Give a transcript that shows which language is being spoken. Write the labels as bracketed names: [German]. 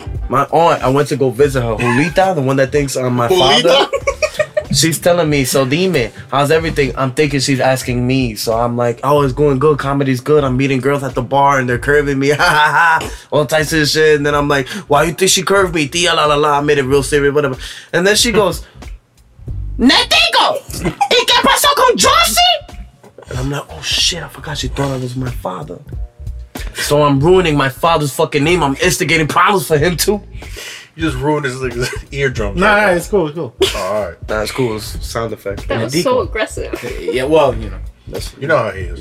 [English] My aunt, I went to go visit her. Julita, the one that thinks I'm my Julita? Father. She's telling me, so dime, how's everything? I'm thinking she's asking me. So I'm like, oh, it's going good. Comedy's good. I'm meeting girls at the bar and they're curving me. Ha ha ha. All types of shit. And then I'm like, why you think she curved me? Tia la la la. I made it real serious, whatever. And then she goes, Netico, [Spanish] ¿y qué pasó con Josie? [English] And I'm like, oh shit, I forgot she thought I was my father. So I'm ruining my father's fucking name. I'm instigating problems for him too. You just ruined his like, eardrum. Nah, right? It's cool. Oh, all right. That's cool. It's sound effects. That was so aggressive. Yeah, well, you know. That's, you know how he is.